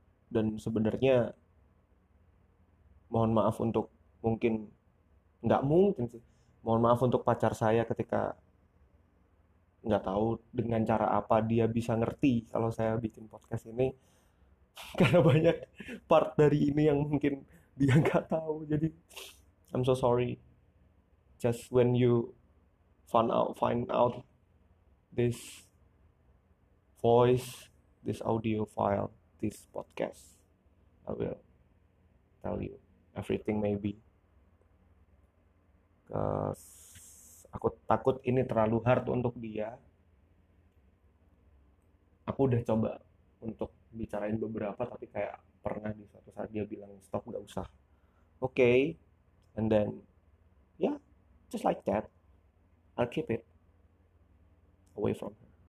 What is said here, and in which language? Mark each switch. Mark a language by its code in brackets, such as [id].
[id] Dan sebenarnya mohon maaf untuk mungkin nggak mungkin sih, mohon maaf untuk pacar saya ketika nggak tahu dengan cara apa dia bisa ngerti kalau saya bikin podcast ini, karena banyak part dari ini yang mungkin dia nggak tahu. [en] Jadi I'm so sorry just when you find out this voice, this audio file, this podcast, I will tell you everything maybe. Cause [id] aku takut ini terlalu hard untuk dia. Aku udah coba untuk bicarain beberapa, tapi kayak pernah di suatu saat dia bilang stop, gak usah. [en] Okay, and then yeah, just like that, I'll keep it away from her.